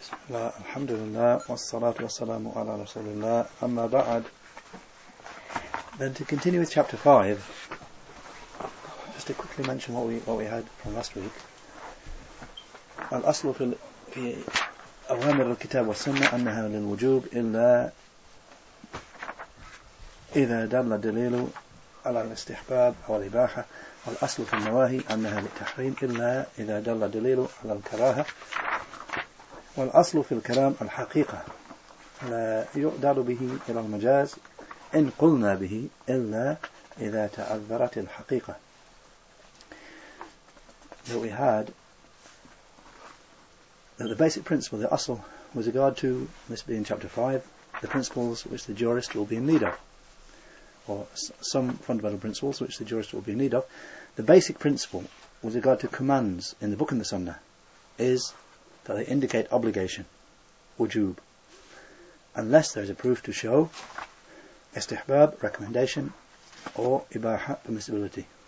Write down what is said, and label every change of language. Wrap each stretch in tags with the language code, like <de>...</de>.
<ar>الحمد لله والصلاة والسلام على رسول الله أما بعد.</ar> <en>Then to continue with chapter 5, just to quickly mention what we had from last week.</en> <ar>الأصل في أوامر الكتاب والسنة أنها للوجوب إلا إذا دل دليل على الاستحباب أو الإباحة. والأصل في النواهي أنها للتحريم إلا إذا دل دليل على الكراهة. والأصل في الكلام الحقيقة لا يعدل به إلى المجاز إن قلنا به إلا إذا تعذرت الحقيقة.</ar> <en>That we had that the basic principle, the أصل, with regard to this being chapter 5, the principles which the jurist will be in need of, or some fundamental principles which the jurist will be in need of, the basic principle with regard to commands in the book and the sunnah is that they indicate obligation, wujub, unless there is a proof to show istihbab, recommendation, or ibaha, permissibility.</en>